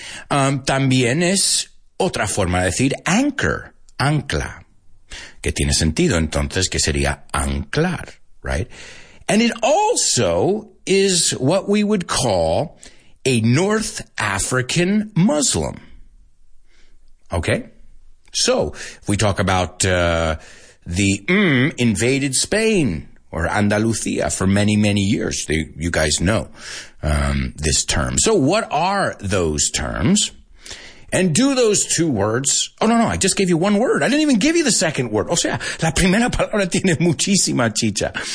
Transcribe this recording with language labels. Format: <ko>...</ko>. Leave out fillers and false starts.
<es>También es otra forma de decir anchor, ancla, que tiene sentido entonces, que sería anclar,</es> <en>right? And it also is what we would call a North African Muslim, okay? So, if we talk about invaded Spain or Andalusia for many, many years, you guys know this term. So, what are those terms? And do those two words... Oh, no, I just gave you one word. I didn't even give you the second word.</en> <es>O sea, la primera palabra tiene muchísima chicha.</es>